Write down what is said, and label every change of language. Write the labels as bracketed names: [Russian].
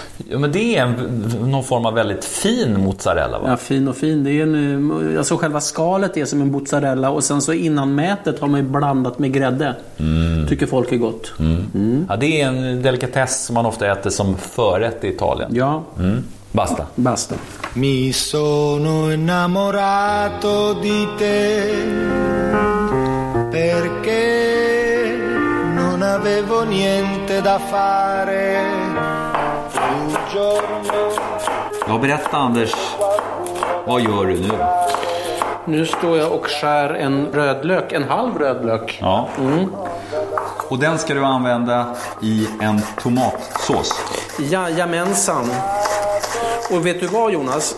[Swedish] Ja, men det är någon form av väldigt fin mozzarella, va? Ja, fin och fin. Det är en, alltså själva skalet är som en mozzarella, och sen så innan mätet har man ju blandat med grädde. Mm. Tycker folk är gott. Mm. Mm. Ja, det är en delikatess som man ofta äter som förrätt i Italien. Ja. Mm. Basta. [Italian] Basta. Mi sono innamorato di te, perché non avevo niente da fare. [Swedish] Ja, berätta Anders, vad gör du nu? Nu står jag och skär en rödlök, en halv rödlök. Ja. Mm. Och den ska du använda i en tomatsås. Jajamensan. Och vet du vad, Jonas?